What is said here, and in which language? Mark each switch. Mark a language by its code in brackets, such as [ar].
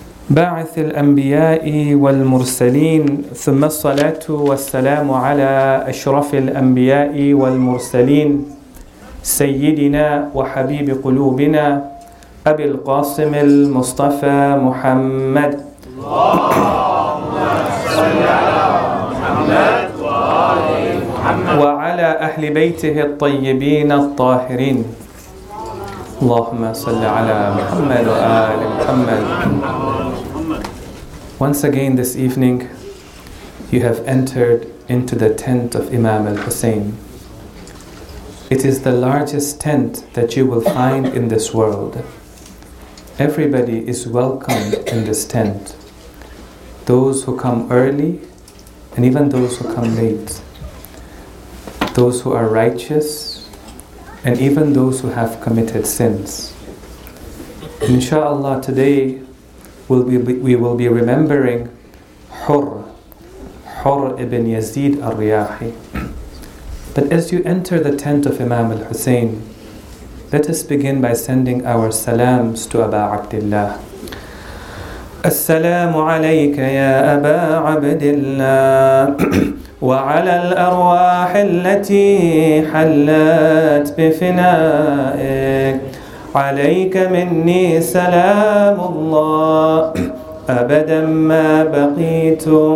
[ar] باعث الأنبياء والمرسلين ثم الصلاة والسلام على أشرف الأنبياء والمرسلين سيدنا وحبيب قلوبنا أبي القاسم المصطفى محمد وعلى أهل بيته الطيبين الطاهرين اللهم صل على محمد وآل محمد. [en] Once again this evening, you have entered into the tent of Imam al-Hussein. It is the largest tent that you will find in this world. Everybody is welcomed in this tent. Those who come early, and even those who come late. Those who are righteous, and even those who have committed sins. Insha'Allah, today we will be remembering Hur ibn Yazid al-Riyahi. But as you enter the tent of Imam al-Hussein, let us begin by sending our salams to Aba Abdullah. [ar] السلام عليك يا أبا عبد الله وعلى الأرواح التي حلت بفنائك عليك مني سلام الله أبدا ما بقيت